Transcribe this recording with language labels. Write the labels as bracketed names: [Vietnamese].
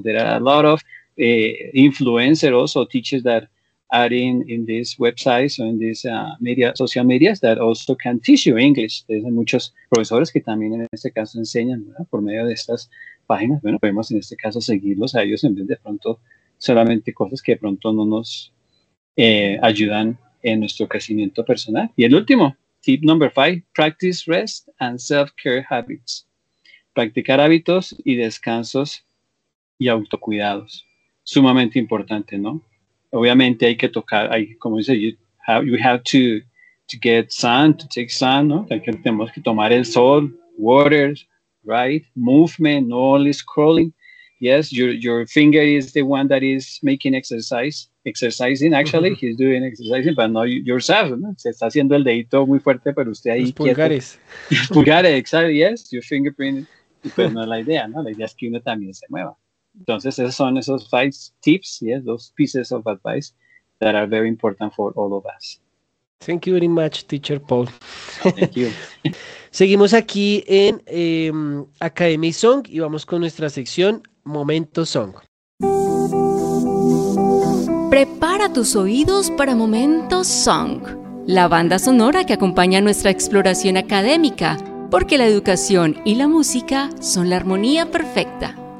[English] There are a lot of influencers or teachers that are in these websites or in these media, social medias that also can teach you English. [Spanish] Hay muchos profesores que también en este caso enseñan, ¿verdad? Por medio de estas páginas. Bueno, podemos en este caso seguirlos a ellos en vez de pronto solamente cosas que de pronto no nos ayudan en nuestro crecimiento personal. Y el último, [English] tip number 5, practice rest and self-care habits. [Spanish] Practicar hábitos y descansos y autocuidados. Sumamente importante, ¿no? Obviamente hay que tocar, hay, como dice, [English] you have to take sun, [Spanish] ¿no? Tenemos que tomar el sol, [English] water, right? Movement, no only scrolling. Yes, your finger is the one that is making exercising, actually. Mm-hmm. He's doing exercising, but not yourself, ¿no? [Spanish] Se está haciendo el dedito muy fuerte, pero usted ahí... Los pulgares. Los pulgares, [English] exactly, yes, your fingerprint. [Spanish] Pero no es la idea, ¿no? La idea es que uno también se mueva. Entonces, esos son esos 5 tips, [English] yes, those pieces of advice that are very important for all of us. Thank you very much, Teacher Paul. Thank you. [Spanish] Seguimos aquí en Academy Song y vamos con nuestra sección Momento Song. Prepara tus oídos para Momento Song, la banda sonora que acompaña nuestra exploración académica, porque la educación y la música son la armonía perfecta.